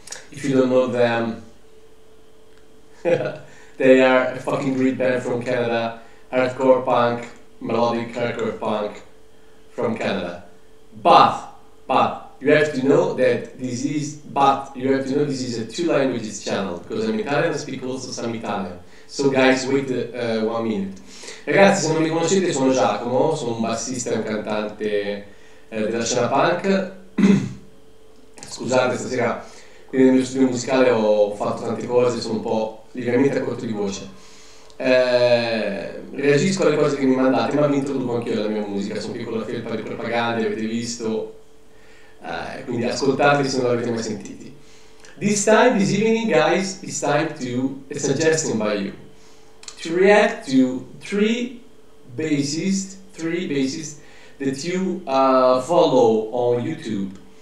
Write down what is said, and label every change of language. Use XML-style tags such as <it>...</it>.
<en>If you don't know them, they are a fucking great band from Canada, hardcore punk, melodic hardcore punk from Canada. But you have to know that this is, but you have to know this is a two languages channel, because I'm Italian, I speak also some Italian. So guys, wait 1 minute.</en> <it>Ragazzi, se non mi conoscete, sono Giacomo, sono un bassista e un cantante della scena punk. Scusate, stasera qui nel mio studio musicale ho fatto tante cose, sono un po' ligamente a corto di voce. Reagisco alle cose che mi mandate, ma mi introduco anch'io alla mia musica. Sono qui con la felpa di propaganda, avete visto. Quindi ascoltatevi se non l'avete mai sentiti.</it> <en>This time, this evening, guys, it's time to a suggestion by you. To react to three bassists that you follow on YouTube.</en>